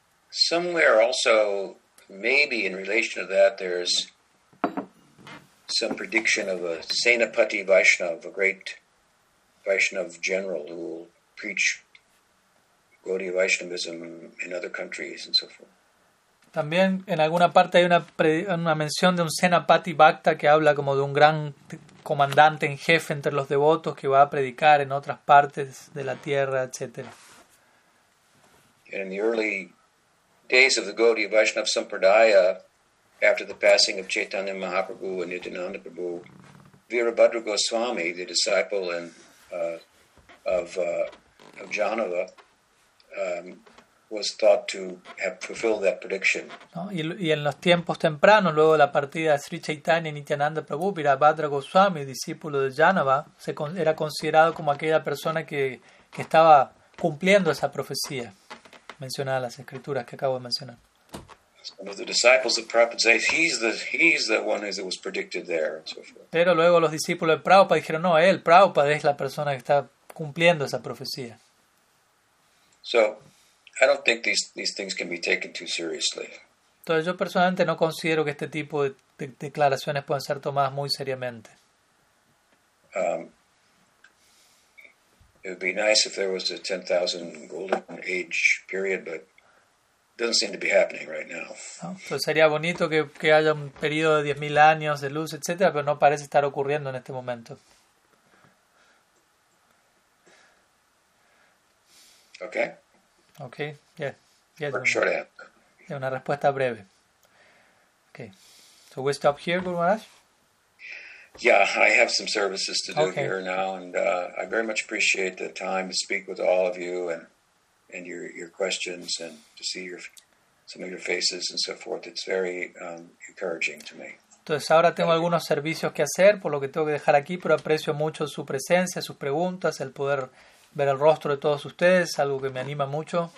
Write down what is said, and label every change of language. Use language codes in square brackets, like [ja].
[en] Somewhere also, maybe in relation to that, there's some prediction of a Senapati Vaishnav, a great Vaishnav general who will preach Gaudiya Vaishnavism in other countries and so forth. [es] También en alguna parte hay una mención de un Senapati Bhakta que habla como de un gran comandante en jefe entre los devotos que va a predicar en otras partes de la tierra, etc. [en] And in the early days of the Gaudiya Vaishnav Sampradaya, after the passing of Chaitanya Mahaprabhu and Nityananda Prabhu, Virabhadra Goswami, the disciple of Janava, was thought to have fulfilled that prediction. [es] ¿No? Y en los tiempos tempranos, luego de la partida de Sri Chaitanya y Nityananda Prabhu, Virabhadra Goswami, discípulo de Janava, era considerado como aquella persona que estaba cumpliendo esa profecía. Mencionadas las escrituras que acabo de mencionar. [en] Some of the disciples of Prabhupada say he's the one who was predicted there and so forth. [es] Pero luego los discípulos de Prabhupada dijeron no, él, Prabhupada es la persona que está cumpliendo esa profecía. [en] So, I don't think these things can be taken too seriously. [es] Entonces yo personalmente no considero que este tipo de declaraciones puedan ser tomadas muy seriamente. [en] It would be nice if there was a 10,000 golden age period, but it doesn't seem to be happening right now. [es] No, sería bonito que haya un periodo de 10,000 años de luz, etcétera, pero no parece estar ocurriendo en este momento. [en] Okay. Okay. Yeah. Yeah. Short answer. Yeah, [es] una respuesta breve. [en] Okay. So we stop here, Guru Maharaj. Yeah, I have some services to do okay. here now, and I very much appreciate the time to speak with all of you and your questions and to see some of your faces and so forth. It's very encouraging to me. [es] Entonces ahora tengo algunos servicios que hacer, por lo que tengo que dejar aquí, pero aprecio mucho su presencia, sus preguntas, el poder ver el rostro de todos ustedes, algo que me anima mucho.